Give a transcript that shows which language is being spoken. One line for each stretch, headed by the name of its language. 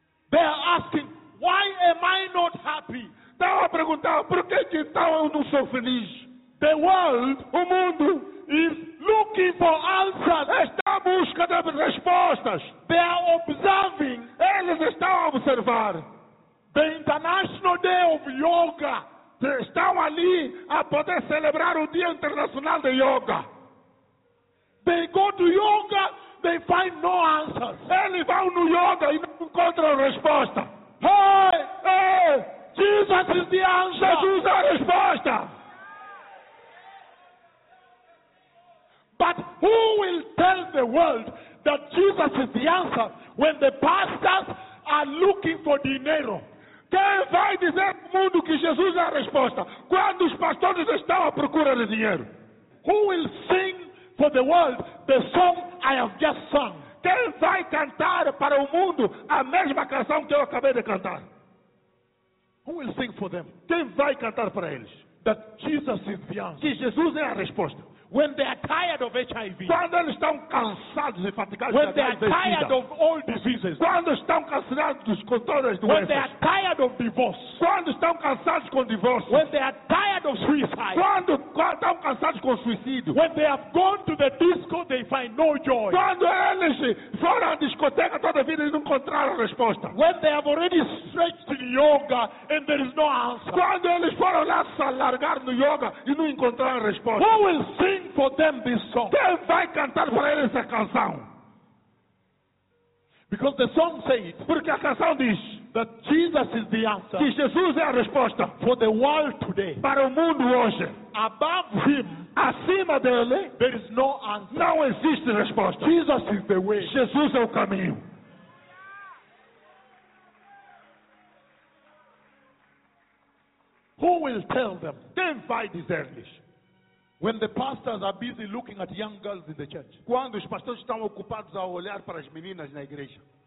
English: They are asking, why am I not happy?
Portuguese: Estão a perguntar, por que então eu não sou feliz?
English: The world,
Portuguese: o mundo,
English: is looking for answers.
Portuguese: Está à busca de respostas.
English: They are observing.
Portuguese: Eles estão a observar.
English: The International Day of Yoga.
Portuguese: Estão ali a poder celebrar o Dia Internacional de Yoga.
English: They go to yoga, they find no answers.
Portuguese: Eles vão no yoga e não encontram resposta.
English: Hey,
Portuguese: hey,
English: Jesus is the answer.
Portuguese: Jesus é a resposta.
English: But who will tell the world that Jesus is the answer when the pastors are looking for dinheiro?
Portuguese: Quem vai dizer ao mundo que Jesus é a resposta quando os pastores estão à procura de dinheiro?
English: Who will sing for the world the song I have just sung?
Portuguese: Quem vai cantar para o mundo a mesma canção que eu acabei de cantar?
English: Who will sing for them?
Portuguese: Quem vai cantar para eles?
English: That Jesus is the answer.
Portuguese: Que Jesus é a resposta.
English: When they are tired of HIV.
Portuguese: Quando eles estão cansados de fatigar.
English: When they are tired of all diseases.
Portuguese: Quando estão cansados dos controles de doenças.
English: When they are tired of divorce.
Portuguese: Quando estão cansados com divórcio.
English: When they are tired of suicide.
Portuguese: Quando estão cansados com suicídio.
English: When they have gone to the disco, they find no joy.
Portuguese: Quando eles foram à discoteca toda a vida e não encontraram resposta.
English: When they have already stretched to yoga and there is no answer.
Portuguese: Quando eles foram lá se alargar no yoga e não encontraram resposta.
English: Who will sing for them this song?
Portuguese: Quem vai cantar para eles essa canção?
English: Because the song says,
Portuguese: porque a canção diz,
English: that Jesus is the answer.
Portuguese: Que Jesus é a resposta
English: for the world today.
Portuguese: Para o mundo hoje.
English: Above him,
Portuguese: acima dele,
English: there is no answer.
Portuguese: Não existe resposta.
English: Jesus is the way.
Portuguese: Jesus é o caminho.
English: Who will tell them?
Portuguese: Quem vai dizer-lhes?
English: When the pastors are busy looking at young girls in the church.
Portuguese: Quando os pastores estão ocupados a olhar para as meninas na igreja.